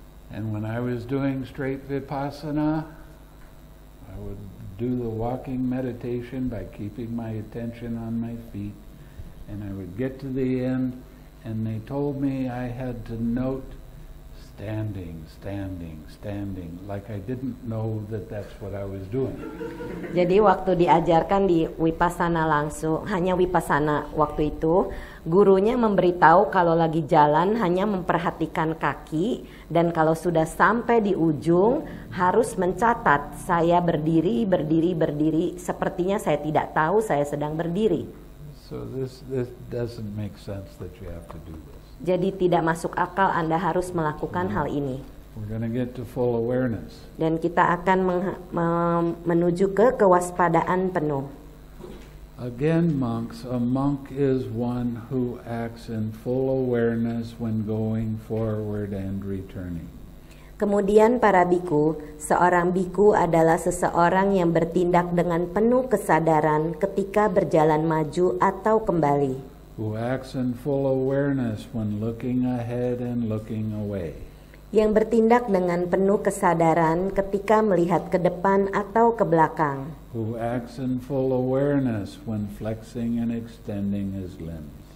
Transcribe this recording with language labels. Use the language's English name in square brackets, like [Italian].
[English] And when I was doing straight vipassana, I would do the walking meditation by keeping my attention on my feet, and I would get to the end, and they told me I had to note standing, standing, standing, like I didn't know that that's what I was doing. [Indonesian] Jadi waktu diajarkan di vipassana langsung, hanya vipassana waktu itu, gurunya memberitahu kalau lagi jalan hanya memperhatikan kaki, dan kalau sudah sampai di ujung harus mencatat saya berdiri, berdiri, berdiri, sepertinya saya tidak tahu saya sedang berdiri. [English] So this doesn't make sense that you have to do this. [Indonesian] Jadi tidak masuk akal Anda harus melakukan hal ini. [English] We're gonna get to full awareness. [Indonesian] Dan kita akan menuju ke kewaspadaan penuh. [English] Again, monks, a monk is one who acts in full awareness when going forward and returning. [Indonesian] Kemudian para bhikkhu, seorang bhikkhu adalah seseorang yang bertindak dengan penuh kesadaran ketika berjalan maju atau kembali. [English] Who acts in full awareness when looking ahead and looking away. [Indonesian] Yang bertindak dengan penuh kesadaran ketika melihat ke depan atau ke belakang. [English] Who acts in full awareness when flexing and extending his limbs.